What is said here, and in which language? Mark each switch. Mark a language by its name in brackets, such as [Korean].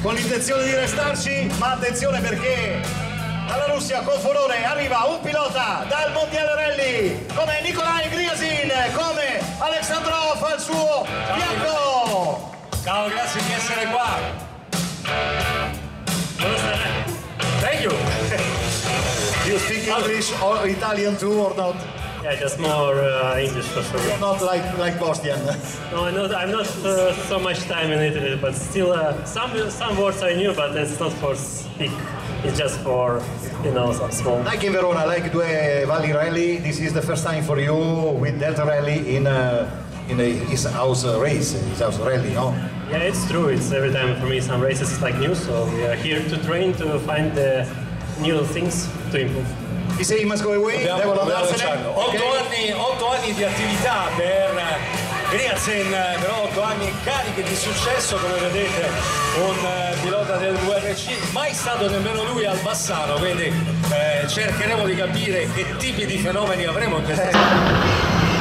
[Italian] intenzione di restarci, ma attenzione perché dalla Russia con furore arriva un pilota dal Mondiale Rally come Nikolaj Gryazin, come Aleksandrov al suo fianco. Ciao, grazie di essere qua. [English] Thank you. You speak English or Italian too or not? Yeah, just more English for sure. Not like Bosnian. No, I'm not so much time in Italy, but still some words I knew, but it's not for speak. It's just for, you know, some small. Like in Verona, like Due Valley Rally, this is the first time for you with Delta Rally in a his house race, his house rally, no? Yeah, it's true. It's every time for me some races is like new, so we are here to train to find the new things to improve. You say you must go away, [Italian] devo andarsene. Otto anni di attività per Gryazin, però 8 anni cariche di successo, come vedete, un pilota del WRC, mai stato nemmeno lui al Bassano, quindi cercheremo di capire che tipi di fenomeni avremo in questa sera.